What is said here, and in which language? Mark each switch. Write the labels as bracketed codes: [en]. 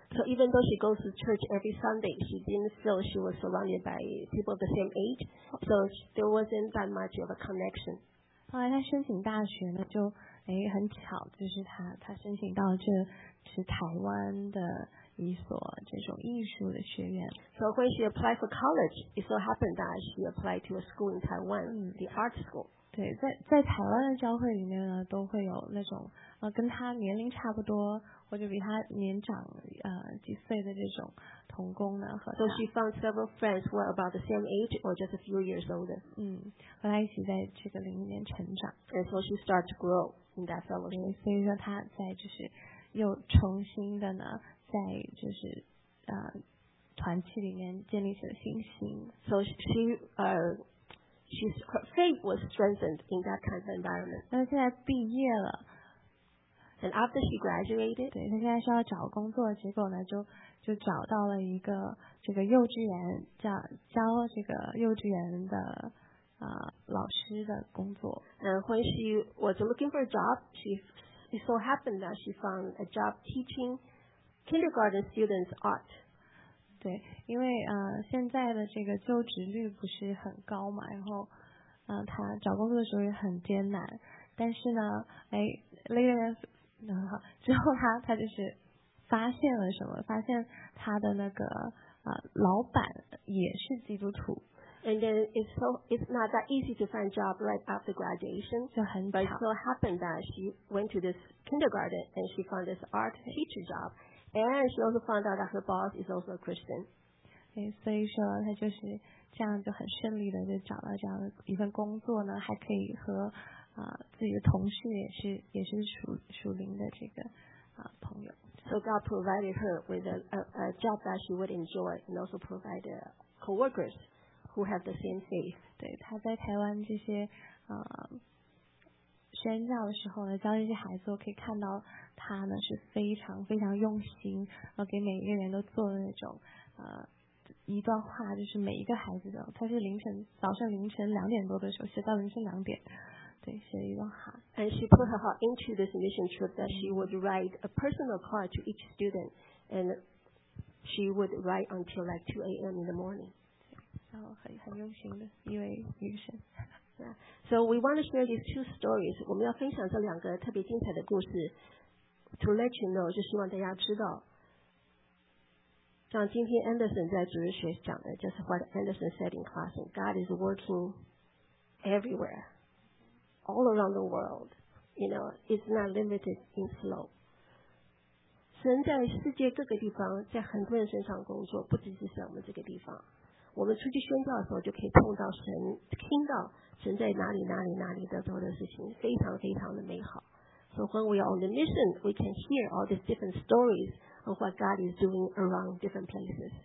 [en] So even though she goes to church every Sunday, she didn't feel she was surrounded by people of the same age, so there wasn't that much of a connection. [zh] 后来她申请大学呢，就很巧，就是她申请到这是台湾的一所这种艺术的学院。 [en] So when she applied for college, it so happened that she applied to a school in Taiwan, the art school. [zh] 对，在台湾的教会里面呢，都会有那种跟他年龄差不多或者比他年长几岁的这种同工呢，和他。 [en] So she found several friends who are about the same age or just a few years older. [zh] 嗯，和他一起在这个灵里面成长。 [en] And so she started to grow in that fellowship. [zh] 对，所以说他在就是又重新的呢，在就是团契里面建立起了信心。 [en] So she She's, her faith was strengthened in that kind of environment. [zh] 那现在毕业了。 [en] And after she graduated, [zh] 对，她现在需要找工作，结果呢，就找到了一个这个幼稚园教这个幼稚园的老师的工作。 [en] And when she was looking for a job, it so happened that she found a job teaching kindergarten students art. [zh] 对，因为现在的这个就职率不是很高嘛，然后他找工作的时候也很艰难，但是呢，哎 ， [en] later [zh] 之后他就是发现了什么，发现他的那个老板也是基督徒。 [en] And then it's not that easy to find a job right after graduation. [zh] 就很巧。 [en] But it so happened that she went to this kindergarten and she found this art teacher job. And she also found out that her boss is also a Christian. [zh] 对，所以说她就是这样就很顺利的就找到这样一份工作呢，还可以和自己的同事也是属灵的这个朋友。 [en] So God provided her with a job that she would enjoy, and also provided coworkers who have the same faith. [zh] 对，她在台湾这些宣教的时候呢，教这些孩子，我可以看到。他呢是非常非常用心，给每一个人都做的那种一段话，就是每一个孩子的，他是早上凌晨两点多的时候写到凌晨两点，对，写了一段话。 [en] And she put her heart into this mission trip that she would write a personal card to each student, and she would write until like 2 a.m. in the morning. [zh] 然后很用心的一位女生。 [en] Yeah. So we want to share these two stories. [zh] 我们要分享这两个特别精彩的故事。 [en] To let you know, [zh] 就希望大家知道，像今天 [en] Anderson [zh] 在主日学讲的，就是 [en] what Anderson said in class, God is working everywhere, all around the world. You know, it's not limited in slow. [zh] 神在世界各个地方，在很多人身上工作，不只是在我们这个地方。我们出去宣教的时候，就可以碰到神，听到神在哪里哪里哪里的做的事情，非常非常的美好。 [en] So when we are on the mission, we can hear all these different stories of what God is doing around different places.